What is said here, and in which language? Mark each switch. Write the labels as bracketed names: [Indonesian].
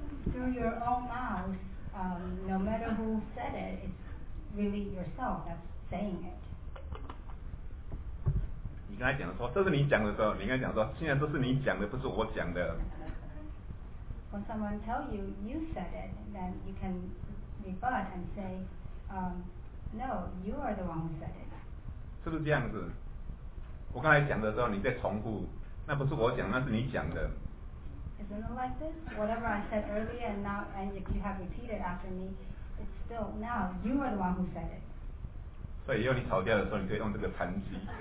[English] Through your own mouth, no matter who said it, it's really yourself that's saying it. [Chinese] 你刚才讲的说这是你讲的时候，你刚才讲说现在都是你讲的，不是我讲的。 [English] When someone tell you you said it, then you can rebut and say, no, you are the one who said it. [Chinese] 是不是这样子？我刚才讲的时候你在重复，那不是我讲，那是你讲的。 [English] Isn't it like this? Whatever I said earlier and now, and if you have repeated after me, it's still now you are the one who said it. [Chinese] 所以以后你吵架的时候，你可以用这个盘机。